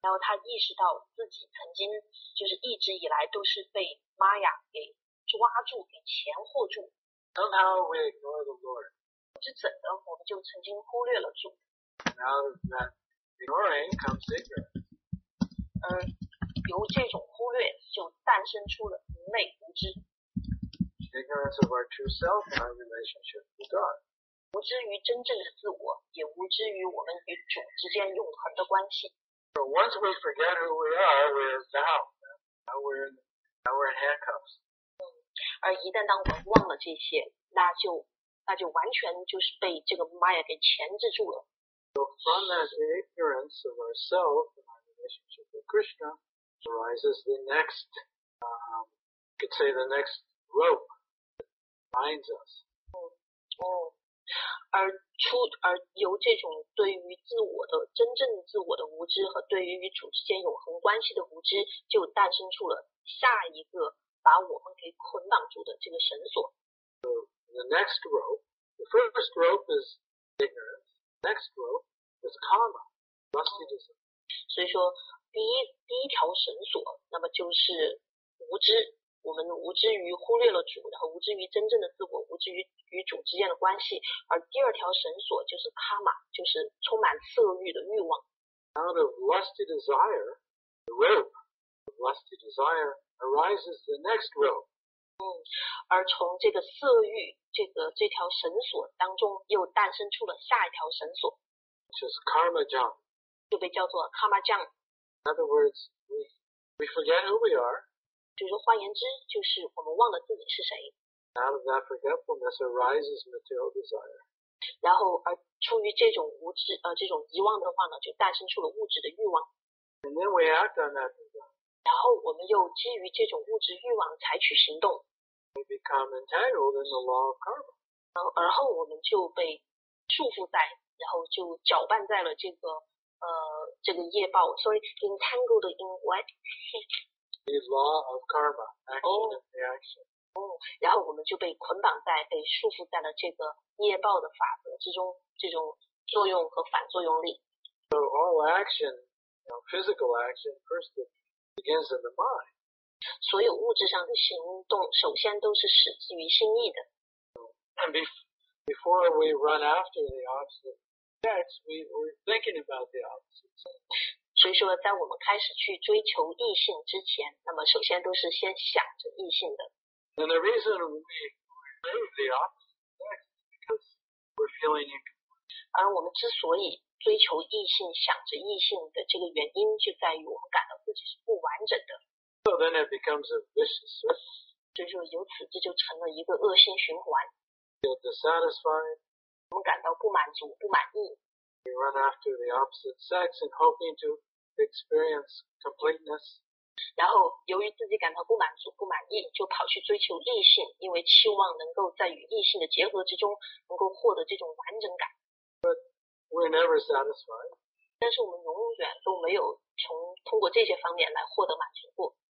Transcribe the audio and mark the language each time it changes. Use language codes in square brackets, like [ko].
[zh] 然后他意识到自己曾经就是一直以来都是被玛雅给抓住给钳获住。 [en] Somehow we ignore the Lord. [zh] 不知怎的我们就曾经忽略了主。 [en] And out of that ignoring comes ignorance. [zh] 而由这种忽略就诞生出了愚昧无知。 [en] Ignorance of our true self and our relationship with God. [zh] 无知于真正的自我，也无知于我们与主之间永恒的关系。 [en] So once we forget who we are, we're bound. Now we're in handcuffs. [zh] 而一旦当我们忘了这些，那就完全就是被这个玛雅给钳制住了。 [en] So from that ignorance of ourselves and our relationship with Krishna arises the next, could say the next rope that binds us. [zh] 而由这种对于自我的真正自我的无知和对于与主之间永恒关系的无知，就诞生出了下一个把我们给捆绑住的这个绳索。 [en] So, the next rope, the first rope is ignorance. Next rope is karma, rusticism. [zh] 所以说，第一条绳索，那么就是无知。我们无知于忽略了主，然后无知于真正的自我，无知于与主之间的关系。而第二条绳索就是卡玛，就是充满色欲的欲望。 [en] Out of lusty desire, the rope of lusty desire arises the next rope. [zh] 而从这个色欲这条绳索当中，又诞生出了下一条绳索，就是卡玛将，就被叫做卡玛将。 [en] In other words, we forget who we are. [zh] 就是换言之，就是我们忘了自己是谁。 [en] Out of that forgetfulness arises material desire. [zh] 然后，而出于这种无知，这种遗忘的话呢，就诞生出了物质的欲望。 [en] And then we act on that desire. [zh] 然后我们又基于这种物质欲望采取行动。 [en] We become entangled in the law of karma. [zh] 然后我们就被束缚在，然后就搅拌在了这个业报。 [en] Sorry, entangled in what? The law of karma, action and reaction. [zh] 然后我们就被捆绑在、被束缚在了这个业报的法则之中，这种作用和反作用力。 [en] So all action, you know, physical action, first begins in the mind. [zh] 所有物质上的行动首先都是始自于心意的。 [en] Before we run after the opposite sex, we're thinking about the opposite sex. [zh] 所以说在我们开始去追求异性之前，那么首先都是先想着异性的。 [en] And the reason we remove the opposite sex is because we're feeling incomplete. [zh] 而我们之所以追求异性、想着异性的这个原因，就在于我们感到自己是不完整的。 [en] So then it becomes a vicious circle. [zh] 所以说由此这就成了一个恶性循环。 [en] You're dissatisfied. [zh] 我们感到不满足、不满意。 [en] We run after the opposite sex and hoping to experience completeness. [zh] 然后由于自己感到不满足、不满意，就跑去追求异性，因为期望能够在与异性的结合之中能够获得这种完整感。 [en] But we're never satisfied. [zh] 但是我们永远都没有通过这些方面来获得满足过。